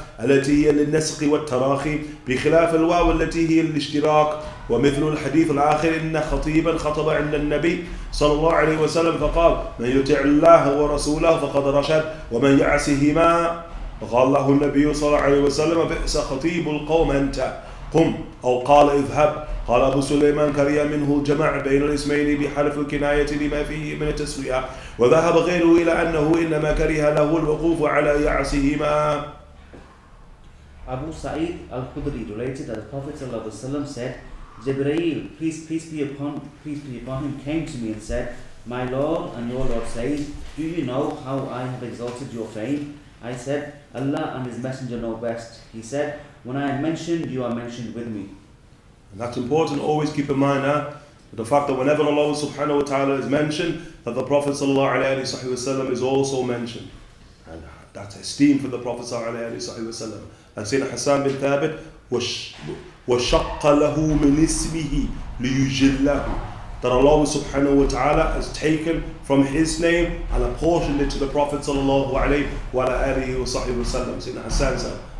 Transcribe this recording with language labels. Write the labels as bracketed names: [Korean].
[Arabic] التي هي للنسق والتراخي بخلاف الواو التي هي الاشتراك ومثل الحديث الآخر إن خطيبا خطب عند النبي صلى الله عليه وسلم فقال من يطع الله ورسوله فقد رشد ومن يعصهما قال له النبي صلى الله عليه وسلم بئس خطيب القوم أنت قم أو قال اذهب قال أبو سليمان كريا منه الجمع بين الاسمين بحرف الكناية لما فيه من التسوية وذهب غيره إلى أنه إنما كره له الوقوف على يعصهما [English] Abu Sa'id al-Khudri related that the Prophet ﷺ said, Jibreel, peace be upon him, came to me and said, My Lord and your Lord says, Do you know how I have exalted your fame? I said, Allah and His Messenger know best. He said, When I am mentioned, you are mentioned with me. And that's important. Always keep in mind the fact that whenever Allah subhanahu wa ta'ala is mentioned, that the Prophet ﷺ is also mentioned. And that's esteem for the Prophet ﷺ. [Arabic] سيدنا حسان بن ثابت وشق له من اسمه لِيُجِلَّهُ [English] That Allah subhanahu wa ta'ala has taken from his name and apportioned it to the Prophet sallallahu alayhi wa alayhi wa sahibu sallam, Sayyidina Hassan sallam.